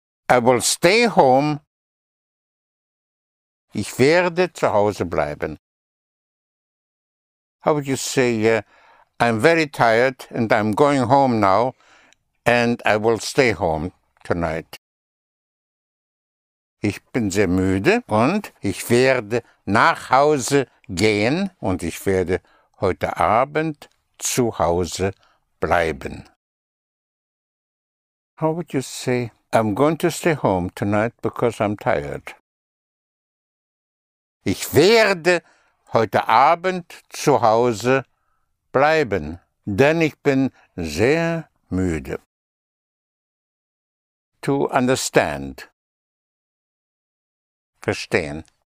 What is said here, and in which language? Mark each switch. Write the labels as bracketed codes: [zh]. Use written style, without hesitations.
[en] I will stay home. [de] Ich werde zu Hause bleiben. [en] How would you say, I'm very tired and I'm going home now and I will stay home tonight. [de] Ich bin sehr müde und ich werde nach Hause gehen und ich werde heute Abend zu Hause bleiben. [en] How would you say, I'm going to stay home tonight because I'm tired? [de] Ich werde heute Abend zu Hause bleiben, denn ich bin sehr müde. [en] To understand. [de] Verstehen.